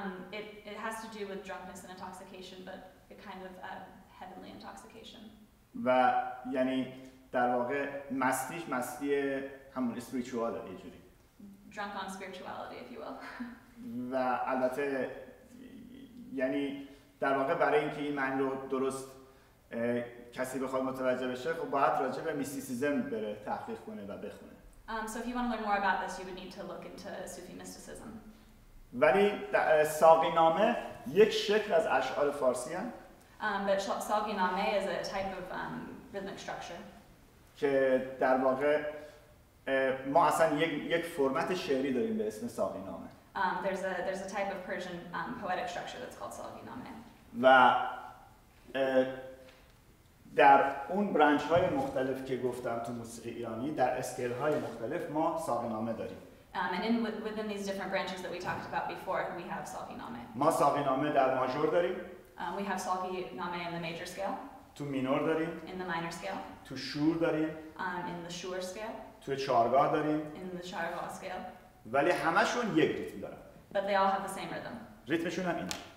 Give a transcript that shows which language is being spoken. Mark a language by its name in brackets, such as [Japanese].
[English] It has to do with drunkenness and intoxication, but a kind of heavenly intoxication. [Persian] و یعنی در واقع مستیش مستی همون اسپریچواله یه جوری. [English] Drunk on spirituality, if you will. [Persian] و البته یعنی در واقع برای اینکه این معنی رو درست کسی بخواد متوجه بشه خب باید راجع به میستیسیزم بره تحقیق کنه و بخونه. [English] So if you want to learn more about this you would need to look into Sufi mysticism. [Persian] ولی ساقی نامه یک شکل از اشعار فارسی هم. [English] But ساقی نامه is a type of rhythmic structure. [Persian] که در واقع ما اصلا یک فرمت شعری داریم به اسم ساقی نامه. [English] There's a type of Persian poetic structure that's called ساقی نامه. [Persian] و در اون برانچ های مختلف که گفتم تو موسیقی ایرانی در اسکیل های مختلف ما ساقی نامه داریم. [English] And in within these different branches that we talked about before, we have ساقی نامه. [Persian] ما ساقی نامه در ماژور داریم. [English] We have ساقی نامه in the major scale. [Persian] تو مینور داریم. [English] In the minor scale. [Persian] تو شور داریم. [English] In the شور scale. [Persian] تو چهارگاه داریم. [English] In the چهارگاه scale. [Persian] ولی همشون یک ریتم دارن. [English] But they all have the same rhythm. [Persian] ریتمشون هم اینه.